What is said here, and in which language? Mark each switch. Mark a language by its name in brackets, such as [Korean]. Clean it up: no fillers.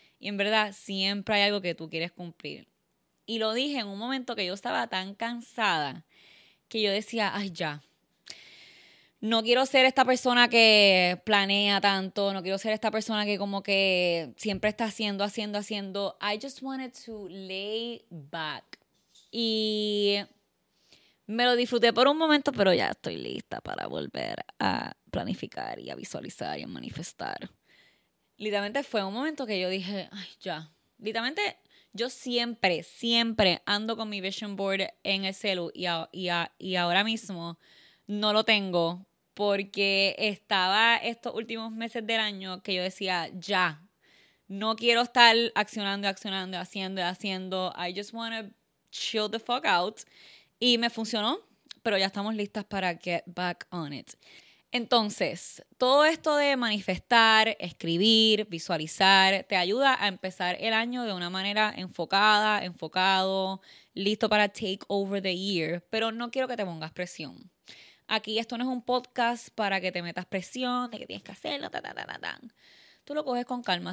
[Spanish] Y en verdad, siempre hay algo que tú quieres cumplir. Y lo dije en un momento que yo estaba tan cansada que yo decía, ay, ya. No quiero ser esta persona que planea tanto. No quiero ser esta persona que como que siempre está haciendo. [English] I just wanted to lay back. [Spanish] Y me lo disfruté por un momento, pero ya estoy lista para volver a planificar y a visualizar y a manifestar. Literalmente fue un momento que yo dije, ay, ya. Literalmente, yo siempre ando con mi vision board en el celu y ahora mismo no lo tengo porque estaba estos últimos meses del año que yo decía, ya, no quiero estar accionando, haciendo. [English] I just wanna chill the fuck out. [Spanish] Y me funcionó, pero ya estamos listas para [English] get back on it. [Spanish] Entonces, todo esto de manifestar, escribir, visualizar, te ayuda a empezar el año de una manera enfocada, enfocado, listo para [English] take over the year. [Spanish] Pero no quiero que te pongas presión. Aquí esto no es un podcast para que te metas presión, de que tienes que hacerlo, ta, ta, ta, ta, ta. Tú lo coges con calma.